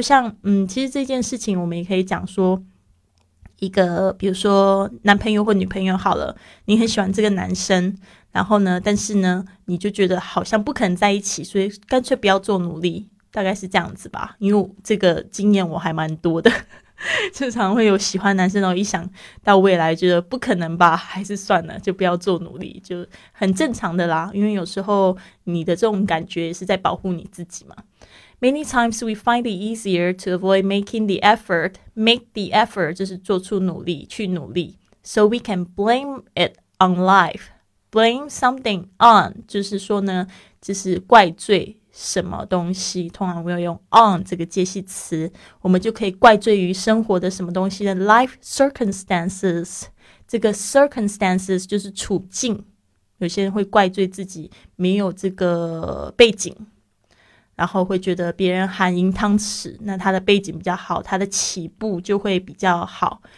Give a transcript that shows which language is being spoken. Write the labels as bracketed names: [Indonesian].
[Chinese] 就像其实这件事情我们也可以讲说，一个比如说男朋友或女朋友好了，你很喜欢这个男生，然后呢但是呢你就觉得好像不可能在一起，所以干脆不要做努力，大概是这样子吧。因为这个经验我还蛮多的，就常会有喜欢男生，然后一想到未来觉得不可能吧，还是算了，就不要做努力，就很正常的啦。因为有时候你的这种感觉是在保护你自己嘛。 [English] Many times we find it easier to avoid making the effort， make the effort 就是做出努力，去努力。 [Chinese] So we can blame it on life， blame something on 就是说呢就是怪罪什么东西，通常会用 on 这个介系词，我们就可以怪罪于生活的什么东西呢？ Life circumstances， 这个 circumstances 就是处境，有些人会怪罪自己没有这个背景，然后会觉得别人含银汤匙，那他的背景比较好，他的起步就会比较好。